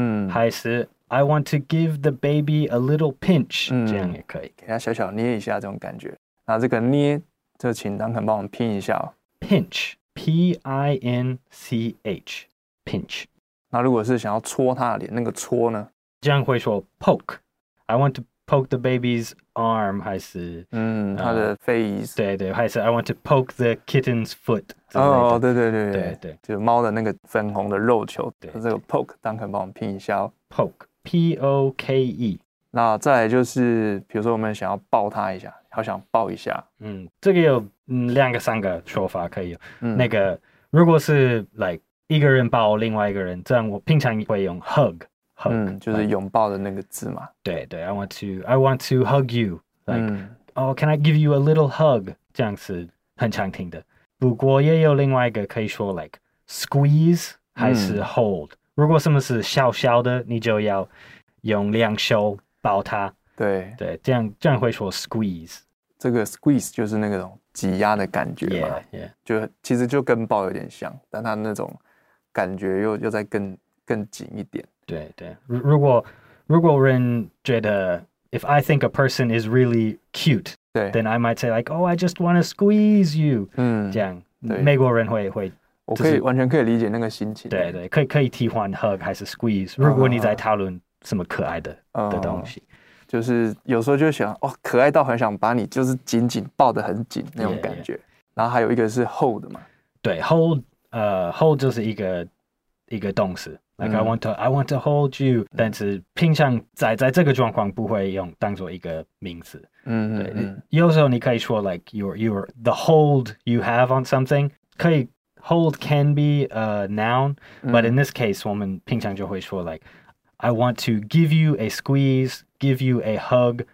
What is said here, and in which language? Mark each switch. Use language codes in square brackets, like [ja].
[zh] 还是 [en] I want to give the baby a little pinch. [zh] 这样也可以，给他小小捏一下这种感觉。那这个捏，就请张肯帮我们拼一下哦。 [en] Pinch, P-I-N-C-H, pinch. [zh] 那如果是想要戳他的脸，那个戳呢？这样会说 [en] poke. I want to poke the baby's arm. [zh] 还是他的 face. 对对，还是 [en] I want to poke the kitten's foot. 哦、 oh, [zh] 对对对对对, 对，就是猫的那个粉红的肉球，对对，这个 poke 当肯帮我们拼一下、哦、 [en] poke P-O-K-E。 [zh] 那再来就是比如说我们想要抱他一下，好想抱一下，这个有两个三个说法可以、那个如果是 like 一个人抱另外一个人，这样我平常会用 hug、就是拥抱的那个字嘛，对对， [en] I want to hug you like、oh, can I give you a little hug， [zh] 这样是很常听的。不过也有另外一个可以说 like squeeze 还是 hold、如果什么是小小的，你就要用两手抱它，对对，这样会说 squeeze。这个 squeeze 就是那种挤压的感觉嘛， [en] yeah, yeah. [zh] 就其实就跟抱有点像，但它那种感觉 又再更紧一点。对对，如果人觉得 [en] if I think a person is really cute， [zh] 对 [en] then I might say like, oh, I just want to squeeze you. [zh] 这样对美国人会、就是、我可以完全可以理解那个心情。对对，可以替换 hug 还是 squeeze, 如果你在讨论什么可爱 的东西。就是有时候就想哦，可爱到很想把你就是紧紧抱得很紧那种感觉。 [en] Yeah, yeah. [zh] 然后还有一个是 hold 嘛。对 ,hold,hold 就是一个动词。 [en] Like,I want to hold you. [zh] 但是平常在这个状况不会用当作一个名词。对， [en] 有时候你可以说 like you're the hold you have on something. [zh] 可以 [en] hold can be a noun,but in this case, [zh] 我们平常就会说 [en] like I want to give you a squeeze, give you a hug.